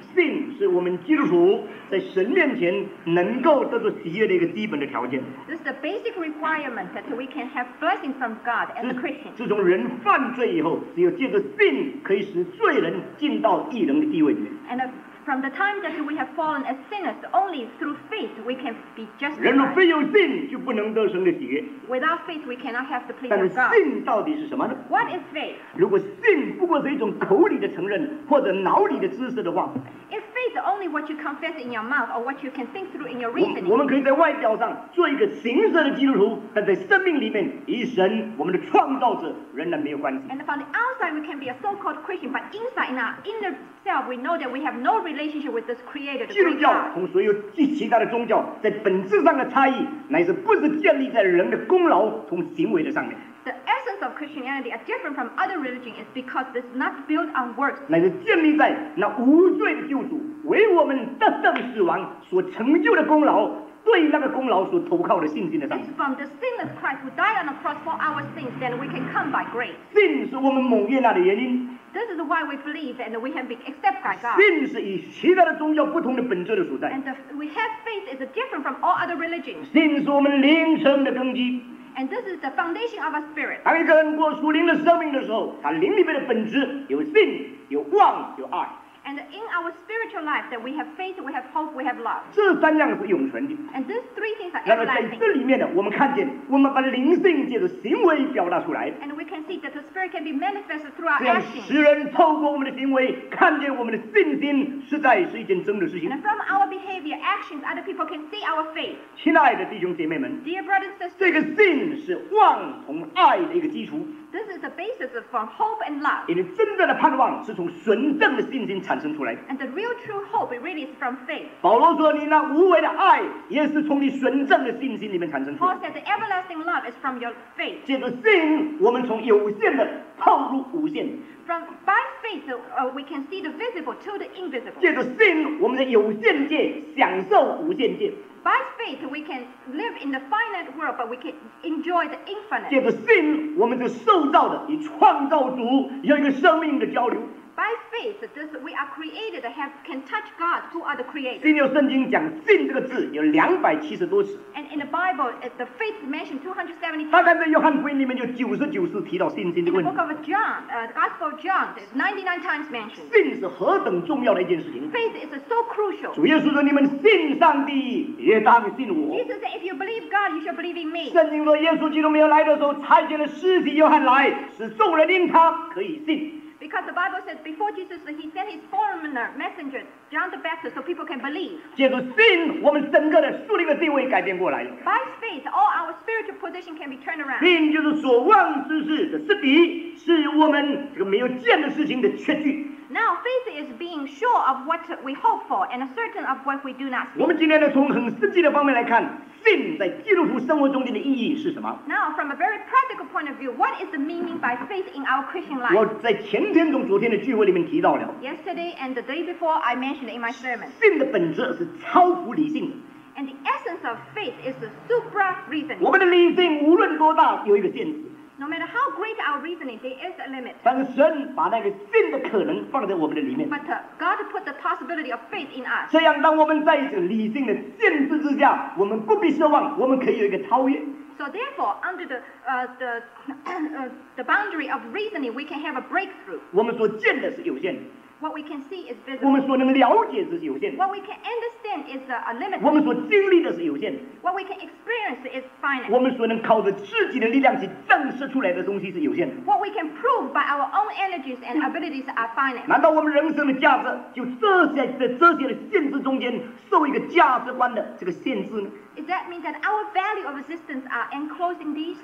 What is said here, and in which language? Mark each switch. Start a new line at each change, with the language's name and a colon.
Chinese: 信是我们基督徒在神面前能够得到喜悦的一个基本的条件。
English: This is the basic requirement that we can have blessing from God as a Christian.
Chinese: 自从人犯罪以后，只有借着信可以使罪人进到义人的地位里面。
English: And from the time that we have fallen as sinners, only through faith we can be justified.
Chinese: 人若非有信，就不能得神的喜悦。
English: Without faith, we cannot have the pleasure of God.
Chinese: 但是信到底是什么呢？
English: What is faith?
Chinese: 如果信不过是一种口里的承认或者脑里的知识的话，
English: If faith is only what you confess in your mouth or what you can think through in your reasoning,
Chinese: 我们可以在外表上做一个形式的基督徒，但在生命里面，与神我们的创造者仍然没有关系。
English: And from the outside, we can be a so-called Christian, but inside, in our inner self, we know that we have no relationship with this Creator.
Chinese: 基督教同所有其他的宗教在本质上的差异，乃是不是建立在人的功劳同行为的上面。
English: The essence of Christianity is different from other religions is because it's not built on works.
Chinese: 乃是建立在那无罪的救主为我们得胜死亡所成就的功劳，对那个功劳所投靠的信心的上。
English: It's from the sinless Christ who died on the cross for our sins that we can come by grace.
Chinese: 信是我们蒙悦纳的原因。
English: This is why we believe and we have been accepted by God.
Chinese: 信是与其他的宗教不同的本质的所在。
English: And we have faith is different from all other religions.
Chinese: 信是我们灵生的根基。
English: And this is the foundation of our spirit.
Chinese: 当一个人过属灵的生命的时候，他灵里面的本质有信、有望、有爱。
English: And in our spiritual life, that we have faith, we have hope, we have love.
Chinese: 这三样是永存的。
English: And these three things are everlasting.
Chinese: 那么在这里面呢，我们看见，我们把灵性借着行为表达出来。
English: And we can see that the spirit can be manifested through our actions.
Chinese: 让世人透过我们的行为，看见我们的信心实在是一件真的事情。
English: And from our behavior, actions, other people can see our faith.
Chinese: 亲爱的弟兄姐妹们
English: ，Dear brothers and sisters,
Chinese: 这个信是望同爱的一个基础。
English: This is the basis for hope and love.
Chinese: 因为真正的盼望是从纯正的信心产生出来的。
English: And the real true hope really is from faith.
Chinese: 保罗说：“你那无为的爱也是从你纯正的信心里面产生出来的。”
English: Paul said the everlasting love is from your faith.
Chinese: 借着信，我们从有限的透入无限。
English: From by faith, we can see the visible to the invisible.
Chinese: 借着信，我们在有限界享受无限界。
English: By faith, we can live in the finite world, but we can enjoy the infinite.
Chinese: 借着信，我们的受造的与创造主有一个生命的交流。
English: By faith, this we are created have can touch God, who are the creator.
Chinese: 新约圣经讲信这个字有270多次。
English: And in the Bible, the faith mentioned 270 times.
Chinese: 大概在约翰福音里面有99次提到信心的问题。
English: In the book of John, the Gospel of John, there's 99 times mentioned.
Chinese: 信是何等重要的一件事情。
English: Faith is so crucial.
Chinese: 主耶稣说：“你们信上帝，也当信我。”
English: Jesus said, "If you believe God, you shall believe in me."
Chinese: 圣经说，耶稣基督没有来的时候，差遣了使徒约翰来，使众人因他可以信。
English: Because the Bible says before Jesus, he sent his forerunner, messenger, John the Baptist, so people can believe.
Chinese: 借着信，我们整个的属灵的地位改变过来了。
English: By faith, all our spiritual position can be turned around.
Chinese: 信就是所望之事的实底，是我们这个没有见的事情的确据。
English: Now faith is being sure of what we hope for and certain of what we do not see.
Chinese: 我们今天呢，从很实际的方面来看，信在基督徒生活中间的意义是什么？
English: Now from a very practical point of view, what is the meaning by faith in our Christian life?
Chinese: 我在前天中昨天的聚会里面提到了。
English: Yesterday and the day before, I mentioned in my sermon.
Chinese: 信的本质是超乎理性的。
English: And the essence of faith is the supra reason.
Chinese: 我们的理性无论多大，有一个限制。
English: No matter how great our reasoning, there is a limit.
Chinese: 但是神把那个信的可能放在我们的里面。
English: But God put the possibility of faith in us.
Chinese: 这样，当我们在这理性的限制之下，我们不必奢望，我们可以有一个超越。
English: So therefore, under the boundary of reasoning, we can have a breakthrough.
Chinese: 我们所见的是有限的。
English: What we can see is visible.
Chinese: 我们所能了解是有限的。
English: What we can understand is a limited.
Chinese: 我们所经历的是有限的。
English: What we can experience is finite.
Chinese: 我们所能靠着自己的力量去证实出来的东西是有限的。
English: What we can prove by our own energies and abilities are finite.
Chinese: 难道我们人生的价值就这些的限制中间受一个价值观的这个限制呢？
English: Does that mean that our value of existence are enclosed in these?